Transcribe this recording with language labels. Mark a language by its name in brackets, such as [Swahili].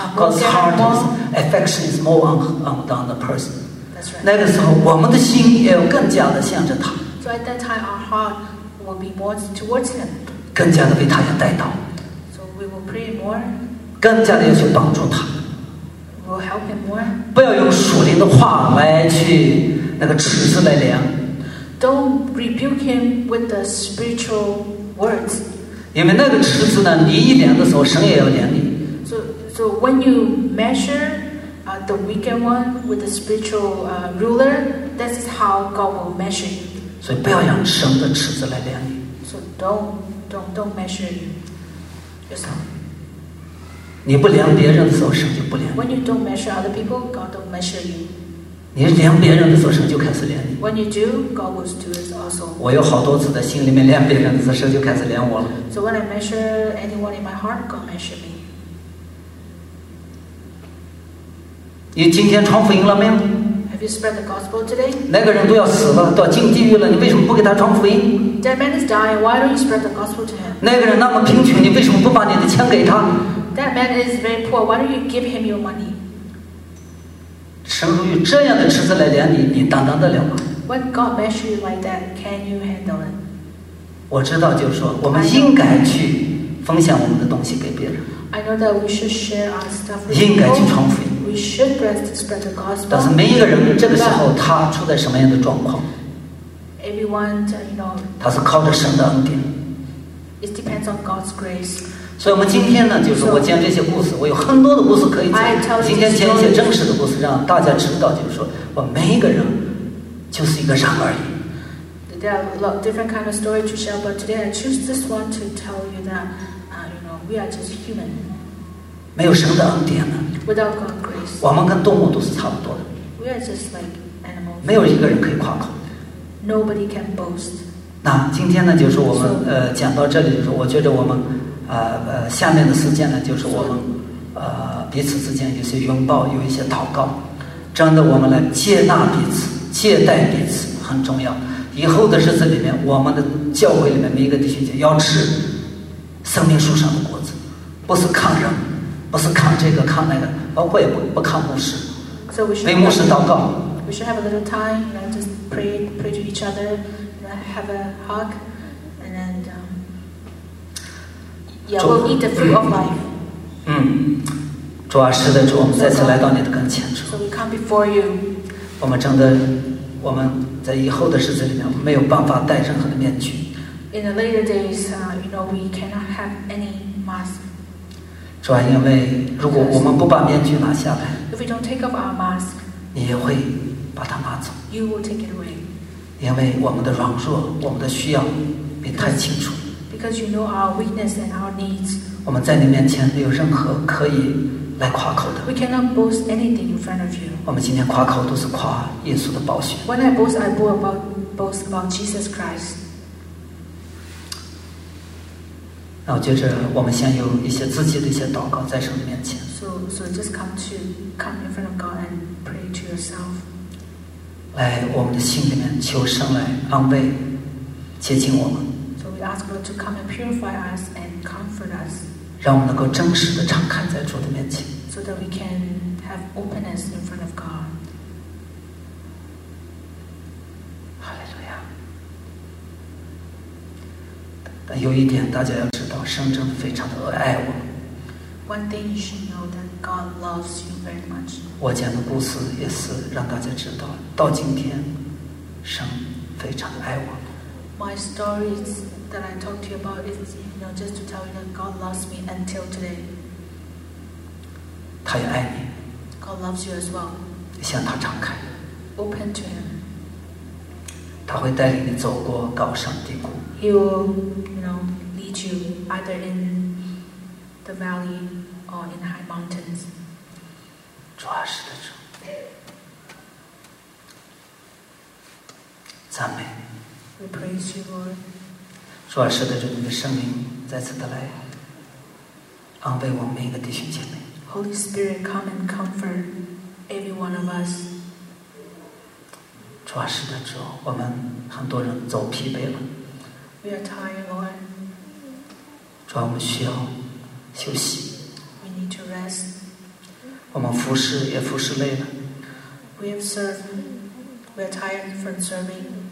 [English] God's heart is affection is more on the person. That's right. [Chinese] 那个时候，我们的心也要更加的向着他。 [English] So at that time, our heart will be more towards him. [Chinese] 更加的为他要带祷。 [English] So we will pray more. [Chinese] 更加的要去帮助他。 [English] We'll help him more. [Chinese] 不要用属灵的话来去那个尺子来量。 [English] Don't rebuke him with the spiritual words. [Chinese] 因为那个尺子呢，你一量的时候，神也要量你。 [English] So when you measure, the weaker one with the spiritual, ruler, this is how God will measure you. [Chinese] 所以不要用神的尺子来量你。 [English] So don't measure yourself. [Chinese] 你不量别人的时候，神就不量你。 [English] When you don't measure other people, God don't measure you. [Chinese] 你量别人的时候，神就开始量你。 [English] When you do, God will do it also. [Chinese] 我有好多次在心里面量别人的时候，神就开始量我了。 [English] So when I measure anyone in my heart, God measure me. [Chinese] 你今天传福音了没有？ [English] Have you spread the gospel today? [Chinese] 那个人都要死了，到进地狱了，你为什么不给他传福音？ [English] That man is dying. Why don't you spread the gospel to him? [Chinese] 那个人那么贫穷，你为什么不把你的钱给他？ [English] That man is very poor. Why don't you give him your money? [Chinese] 神如用这样的尺子来量你，你担当得了吗 [English] ？When God measures you like that, can you handle it? [Chinese] 我知道，就是说，我们应该去分享我们的东西给别人。 [English] I know that we should share our stuff. [Chinese] 应该去传福音。 [English] We should spread the gospel. [Chinese] 但是每一个人这个时候他处在什么样的状况 [English] ？Everyone, you know. [Chinese] 他是靠着神的恩典。 [English] It depends on God's grace. [Chinese] 所以我们今天呢，就是我讲这些故事，我有很多的故事可以讲。今天讲一些真实的故事，让大家知道，就是说我每一个人就是一个人而已。 [English] there are a lot of different kind of story to share, but today I choose this one to tell you that, you know, we are just human. [Chinese] 没有神的恩典呢。 [English] Without God's grace. [Chinese] 我们跟动物都是差不多的。 [English] We are just like animals. [Chinese] 没有一个人可以夸口。 [English] Nobody can boast. [Chinese] 那今天呢，就是我们讲到这里，就是我觉得我们下面的时间呢，就是我们彼此之间有些拥抱，有一些祷告，这样的我们来接纳彼此，接待彼此很重要。以后的日子里面，我们的教会里面每一个弟兄姐妹要吃生命树上的果子，不是看人，不是看这个看那个，包括也不看牧师，为牧师祷告。 [English] We should have a little time, you know, just pray to each other, you know, have a hug, and then yeah, we'll eat the fruit of life. [Chinese] 主啊，实在主，我们再次来到你的跟前，主。 [English] So we come before you. [Chinese] 我们真的，我们在以后的日子里面没有办法戴任何的面具。 [English] In the later days, you know, we cannot have any mask. [Chinese] 主啊，因为如果我们不把面具拿下来 [English] ，If we don't take off our mask, [Chinese] 你也会把它拿走。 [English] You will take it away. [Chinese] 因为我们的软弱，我们的需要，你太清楚。 [English] Because you know our weakness and our needs. [Chinese] 我们在你面前没有任何可以。来夸口的。 [English] We cannot boast anything in front of you. [Chinese] 我们今天夸口都是夸耶稣的宝血。 [English] When I boast, I boast about Jesus Christ. [Chinese] 那我觉着我们先有一些自己的一些祷告在神的面前。 [English] So just come in front of God and pray to yourself. [Chinese] 来我们的心里面求神来安慰、洁净我们。 [English] So we ask God to come and purify us and comfort us. [Chinese] 让我们能够真实地敞开在主的面前。 [English] So that we can have openness in front of God. [Chinese] 哈利路亚。但有一点大家要知道，神真的非常的爱我。 [English] One thing you should know that God loves you very much. [Chinese] 我讲的故事也是让大家知道，到今天，神非常的爱我。 [English] My story is. That I talked to you about is, you know, just to tell you that God loves me until today. [Chinese] 他也爱你。 [English] God loves you as well. [Chinese] 向他敞开。 [English] Open to Him. [Chinese] 他会带领你走过高山低谷。 [English] He will, you know, lead you either in the valley or in high mountains. [Chinese] 主啊，是的，主。赞美。 [English] We praise you, Lord. [Chinese] 主啊，使得这你的圣灵再次的来安慰我们每一个弟兄姐妹。 [English] Holy Spirit, come and comfort every one of us. [Chinese] 主啊，使得主，我们很多人走疲惫了。 [English] We are tired, Lord. [Chinese] 主啊，我们需要休息。 [English] We need to rest. [Chinese] 我们服侍也服侍累了。 [English] We have served. We are tired from serving.